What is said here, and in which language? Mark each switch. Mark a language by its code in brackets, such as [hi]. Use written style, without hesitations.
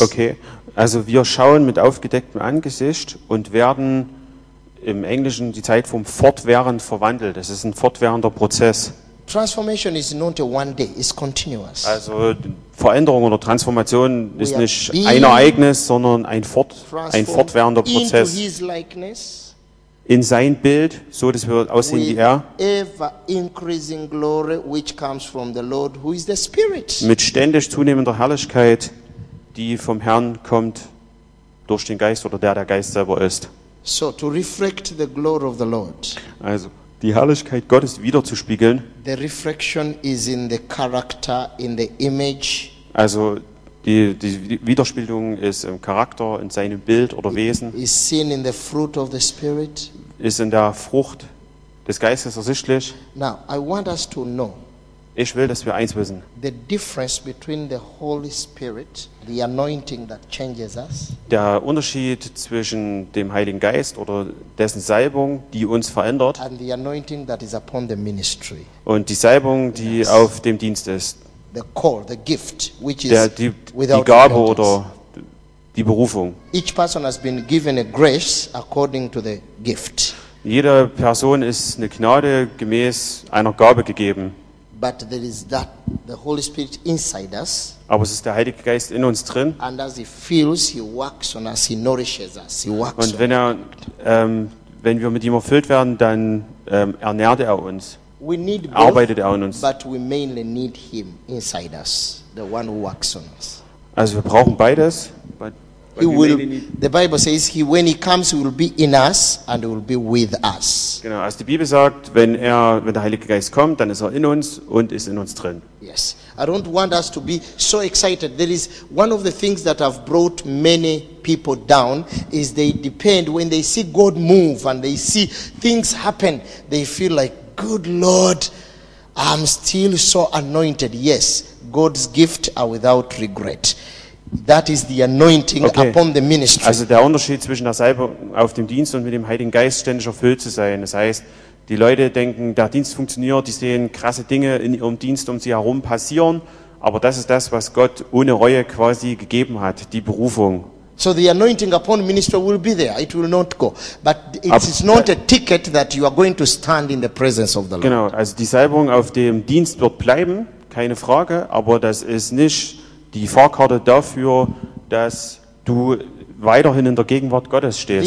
[de] Okay, also wir schauen mit aufgedecktem Angesicht und werden im Englischen die Zeitform fortwährend verwandelt. Es ist ein fortwährender Prozess. [en] Transformation is not a one day, it's continuous. [de] Also Veränderung oder Transformation ist nicht ein Ereignis, sondern ein fortwährender Prozess. [en] Into his likeness, [de] in sein Bild, so dass wir aussehen wie er. [en] Ever increasing glory which comes from the Lord who is the Spirit. [de] Mit ständig zunehmender Herrlichkeit, die vom Herrn kommt durch den Geist oder der Geist selber ist. [en] So to reflect the glory of the Lord. [de] Also die Herrlichkeit Gottes wiederzuspiegeln. [en] The reflection is in the character, in the image. [de] Also die Widerspiegelung ist im Charakter, in seinem Bild oder Wesen. [en] Is seen in the fruit of the Spirit. [de] Ist in der Frucht des Geistes ersichtlich. [en] Now I want us to know. [de] Ich will, dass wir eins wissen. [en] The difference between the Holy Spirit, the anointing that changes us. [de] Der Unterschied zwischen dem Heiligen Geist oder dessen Salbung, die uns verändert. [en] And the anointing that is upon the ministry. [de] Und die Salbung, die auf dem Dienst ist. [en] The call, the gift, which is without [de] die Gabe oder die Berufung. [en] Each person has been given a grace according to the gift. [de] Jede Person ist eine Gnade gemäß einer Gabe gegeben. [en] But there is that the Holy Spirit inside us. [de] Aber es ist der Heilige Geist in uns drin. [en] And as he feels, he works on us, he nourishes us, he works. [de] Und wenn wenn wir mit ihm erfüllt werden, dann ernährt er uns. [en] We need both, [de] arbeitet er an uns. [en] But we mainly need him inside us, the one who works on us. [de] Also wir brauchen beides. [en] The Bible says he, when he comes, will be in us and will be with us. [de] Genau, also die Bibel sagt, wenn der Heilige Geist kommt, dann ist er in uns und ist in uns drin. [en] Yes, I don't want us to be so excited. There is one of the things that have brought many people down is they depend when they see God move and they see things happen, they feel like, good Lord, I'm still so anointed. Yes, God's gift are without regret. That is the anointing, okay, upon the ministry. [de] Also der Unterschied zwischen der Salbung auf dem Dienst und mit dem Heiligen Geist ständig erfüllt zu sein. Das heißt, die Leute denken, der Dienst funktioniert, die sehen krasse Dinge in ihrem Dienst um sie herum passieren, aber das ist das, was Gott ohne Reue quasi gegeben hat, die Berufung. [en] So the anointing upon ministry will be there. It will not go. But it is not a ticket that you are going to stand in the presence of the Lord. [de] Genau, also die Salbung auf dem Dienst wird bleiben, keine Frage, aber das ist nicht die Fahrkarte dafür, dass du weiterhin in der Gegenwart Gottes stehst.